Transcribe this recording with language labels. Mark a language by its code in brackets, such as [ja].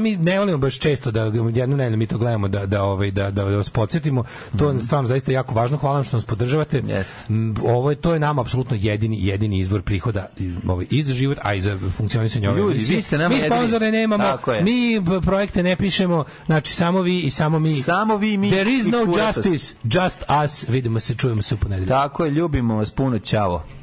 [sr] Mi ne volimo baš često da jednu nedelju mi to gledamo da vas podsjetimo. To je stvarno zaista jako važno. Hvala vam što nas podržavate. [en] Yes. [sr] To je nama apsolutno jedini izvor prihoda i za život, a i za funkcionisanje ove ljudi, vi ste nama mi sponzore jedini. Nemamo, mi projekte ne pišemo, znači samo vi i samo mi. Samo vi, mi. [en] There is no justice, just us. [sr] Vidimo se, čujemo se u ponedeljak. Tako je, ljubimo vas puno, ćao.